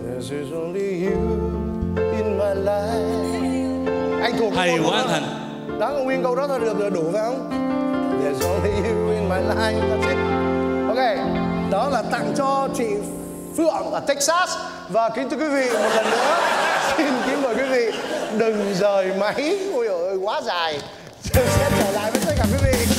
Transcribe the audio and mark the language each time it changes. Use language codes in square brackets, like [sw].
[en] There's only you in my life. [vi] Anh thuộc hay quá Thành. Đó, nguyên câu đó thôi được rồi, đủ phải không? [en] There's only you in my life. Ok. [vi] Đó là tặng cho chị Phượng ở Texas. Và kính thưa quý vị, một lần nữa xin kính mời quý vị đừng rời máy. Ôi ơi, quá dài. Chờ sẽ trở lại với tất cả quý vị.